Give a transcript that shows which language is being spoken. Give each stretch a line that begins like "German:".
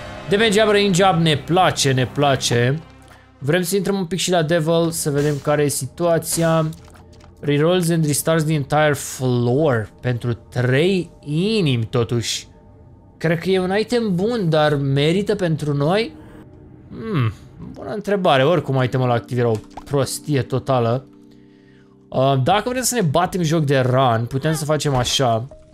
English: Damage up, range up,
Romanian: ne place. Vrem să intrăm un pic și la Devil, să vedem care e situația.
English: Rerolls and restarts the entire floor.
Romanian: Pentru 3 inimi, totuși. Cred că e un item bun, dar merită pentru noi? Bună întrebare. Oricum, itemul activ era o prostie totală. Dacă vrem să ne batem joc de run, putem să facem așa.